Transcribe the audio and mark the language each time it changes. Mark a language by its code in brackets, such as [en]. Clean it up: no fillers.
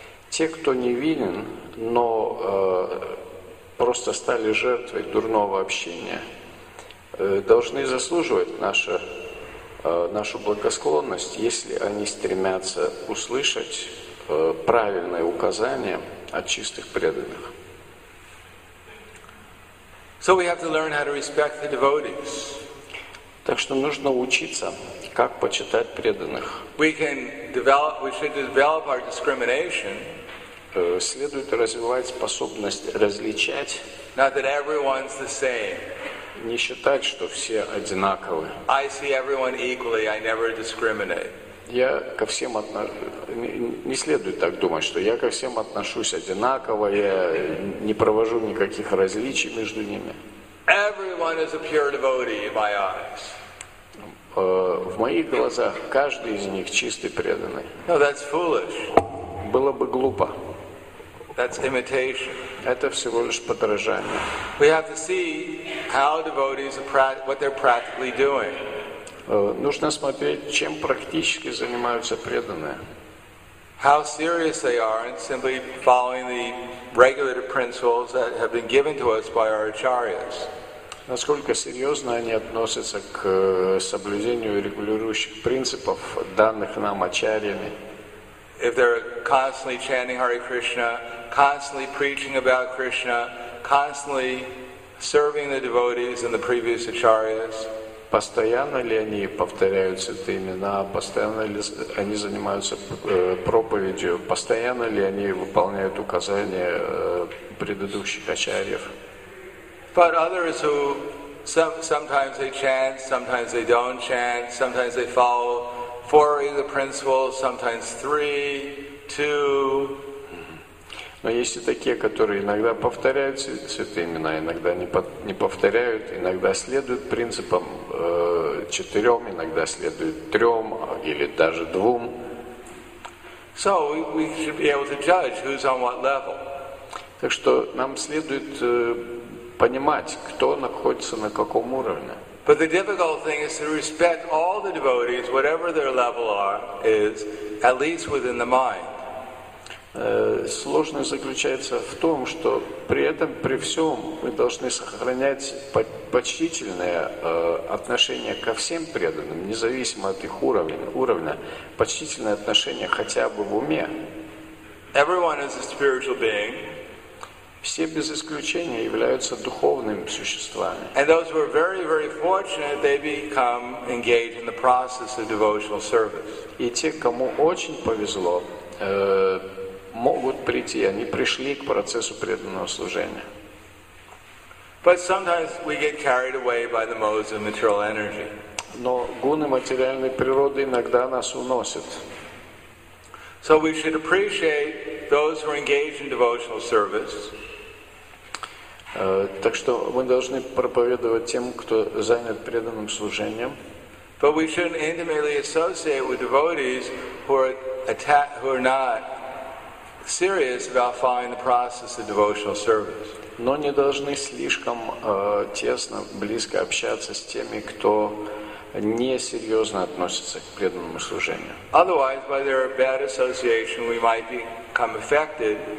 [ru] Те, кто невинен, но просто стали жертвой дурного общения, должны заслуживать нашу благосклонность, если они стремятся услышать правильные указания от чистых преданных. [en] So we have to learn how to respect the devotees. [ru] Так что нужно учиться, как почитать преданных. [en] We should develop our discrimination. [ru] Следует развивать способность различать. [en] Not that everyone's the same. [ru] Не считать, что все одинаковы. [en] I see everyone equally, I never discriminate. [ru] Я ко всем не следует так думать, что я ко всем отношусь одинаково, я не провожу никаких различий между ними. [en] Everyone is a pure devotee in my eyes. [ru] В моих глазах каждый из них чистый преданный. [en] No, that's foolish. [ru] Было бы глупо. [en] That's imitation. [ru] Это всего лишь подражание. [en] We have to see how devotees what they're practically doing. [ru] Нужно смотреть, чем практически занимаются преданные. [en] How serious they are in simply following the regulative principles that have been given to us by our acharyas. [ru] Насколько серьезно они относятся к соблюдению регулирующих принципов, данных нам ачарьями. [en] If they're constantly chanting Hare Krishna, constantly preaching about Krishna, constantly serving the devotees and the previous acharyas. [ru] Постоянно ли они повторяют святые имена, постоянно ли они занимаются проповедью, постоянно ли они выполняют указания предыдущих ачарьев. [en] But others who sometimes they chant, sometimes they don't chant, sometimes they follow four of the principles, sometimes three, two. [ru] Но есть и такие, которые иногда повторяют святые имена, иногда не повторяют, иногда следуют принципам четырем, иногда следуют трем или даже двум. [en] So we should be able to judge who's on what level. [ru] Так что нам следует понимать, кто находится на каком уровне. [en] But the difficult thing is to respect all the devotees, whatever their level are, is at least within the mind. [ru] Сложность заключается в том, что при этом, при всем, мы должны сохранять почтительное отношение ко всем преданным, независимо от их уровня, почтительное отношение хотя бы в уме. [en] Everyone is a spiritual being. [ru] Все без исключения являются духовными существами. [en] And those who are very, very fortunate, they become engaged in the process of devotional service. [ru] И те, кому очень повезло, могут прийти, они пришли к процессу преданного служения. [en] But sometimes we get carried away by the modes of material energy. [ru] Но гуны материальной природы иногда нас уносят. [en] So we should appreciate those who are engaged in devotional service. [ru] Так что мы должны проповедовать тем, кто занят преданным служением. [en] But we shouldn't intimately associate with devotees who are not serious about following the process of devotional service. [ru] Но не должны слишком тесно, близко общаться с теми, кто несерьезно относится к преданному служению. [en] Otherwise, by their bad association, we might become affected.